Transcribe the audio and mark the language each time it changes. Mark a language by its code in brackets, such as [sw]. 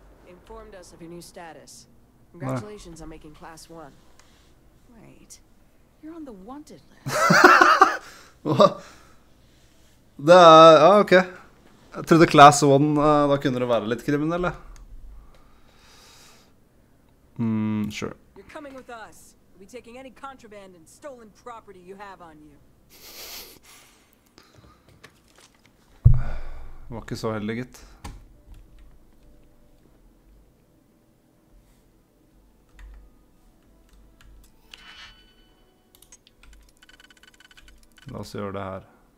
[en] Informed us of your new status. Congratulations on making class 1. Wait. You're on the wanted list. [no] Det er, ja, ok. Jeg trodde class 1, da kunne det være litt kriminelle. [en] Sure. You're coming with us. Be taking any contraband and stolen property you have on you. [no] Det var ikke så heldig, gitt. La oss gjøre det her.